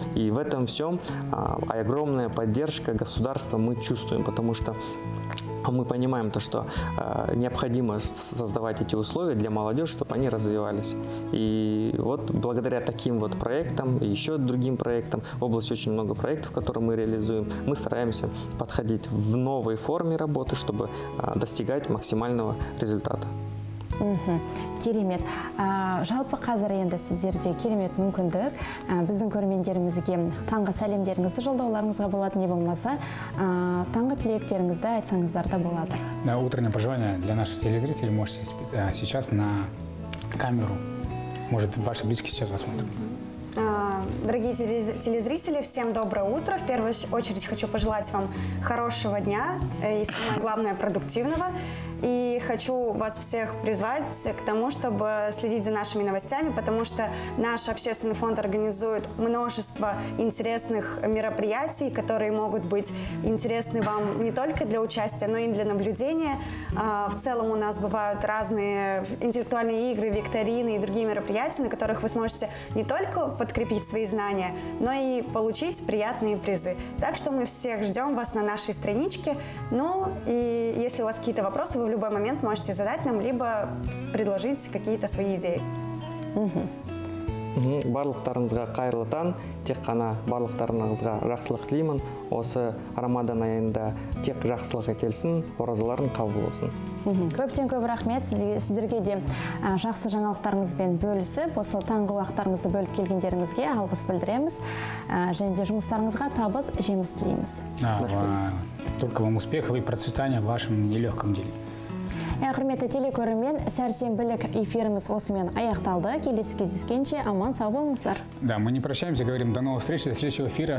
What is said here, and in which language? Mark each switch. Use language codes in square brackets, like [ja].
[ru] И в этом всем огромная поддержка государства мы чувствуем, потому что мы понимаем то, что необходимо создавать эти условия для молодежи, чтобы они развивались. И вот благодаря таким вот проектам, еще другим проектам, в области очень много проектов, которые мы реализуем, мы стараемся подходить в новой форме работы, чтобы достигать максимального результата. [kk] Керемет. Жалпы қазір енді сіздерде керемет мүмкіндік. Біздің көрермендерімізге таңғы сәлемдеріңізді жолдауларыңызға болады, не болмаса, таңғы тілектеріңізді айтсаңыздар да болады. [ru] Да, утреннее пожелание для наших телезрителей можете сейчас на камеру. Может, ваши близкие сейчас посмотрят. Дорогие телезрители, всем доброе утро. В первую очередь хочу пожелать вам хорошего дня и, самое главное, продуктивного. И хочу вас всех призвать к тому, чтобы следить за нашими новостями, потому что наш общественный фонд организует множество интересных мероприятий, которые могут быть интересны вам не только для участия, но и для наблюдения. В целом у нас бывают разные интеллектуальные игры, викторины и другие мероприятия, на которых вы сможете не только подкрепить свои знания, но и получить приятные призы. Так что мы всех ждем вас на нашей страничке. Ну и если у вас какие-то вопросы, вы в любой момент можете задать нам, либо предложить какие-то свои идеи. [kk] Барлықтарыңызға қайырлы таң, тек қана барлықтарыңызға жақсылық тілеймін. Осы Рамадан айында тек жақсылық әкелсін, оразаларын қабыл болсын. Көптен көп рахмет сіздерге де жақсы жаңалықтарыңызбен бөлісіп, осы таңғы уақыттарыңызды бөліп келгендеріңізге алғыс білдіреміз. Және де жұмыстарыңызға табыс, жеміс тілейміз. [ru] Только вам успехов и процветания в вашем нелегком деле. [kk] Құрметті телекөрермен, сәрсенбілік эфиріміз осымен аяқталды. Келесі кездескенше аман сау болыңыздар. [ru] Да, мы не прощаемся, говорим до новых встреч, до следующего эфира.